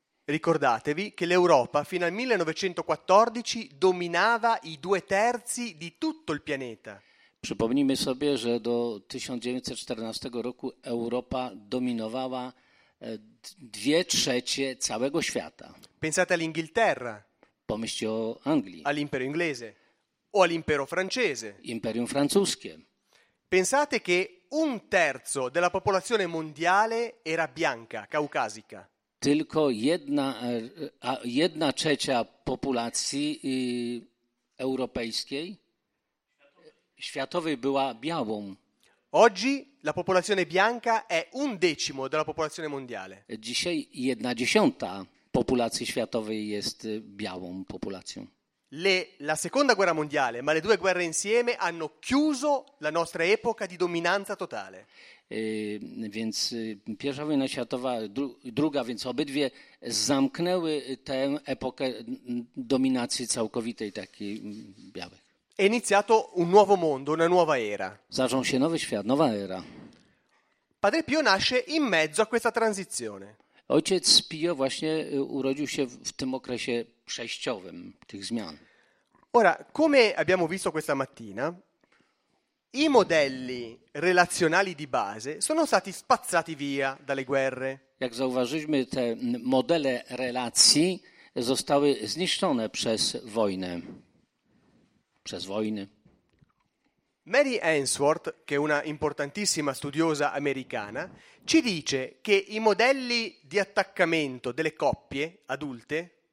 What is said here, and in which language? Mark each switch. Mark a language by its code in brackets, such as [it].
[it] Ricordatevi che l'Europa fino al 1914 dominava i due terzi di tutto il pianeta. [pl] Przypomnijmy sobie, że do 1914 roku Europa dominowała dwie trzecie całego świata. [it] Pensate all'Inghilterra. [pl] Pomyślcie o Anglii. [it] All'impero inglese o all'impero francese. [pl] Imperium francuskie. [it] Pensate che un terzo della popolazione mondiale era bianca, caucasica. [pl] Tylko jedna trzecia popolacji europejskiej, światowej była białą. [it] Oggi la popolazione bianca è un decimo della popolazione mondiale. [pl] Dzisiaj jedna dziesiąta popolazione światowej jest białą popolazją. [it] La seconda guerra mondiale, ma le due guerre insieme hanno chiuso la nostra epoca di dominanza totale. [pl] Więc pierwsza wojna światowa, druga, więc obydwie zamknęły tę epokę dominacji całkowitej takiej białej. [it] È iniziato un nuovo mondo, una nuova era. [pl] Zaczął się nowy świat, nowa era. [it] Padre Pio nasce in mezzo a questa transizione. [pl] Ojciec Pio właśnie urodził się w tym okresie przejściowym tych zmian. [it] Ora, come abbiamo visto questa mattina, i modelli relazionali di base sono stati spazzati via dalle guerre. [pl] Jak zauważyliśmy, te modele relacji zostały zniszczone przez wojnę. Przez wojny. [it] Mary Ainsworth, che è una importantissima studiosa americana, ci dice che i modelli di attaccamento delle coppie adulte.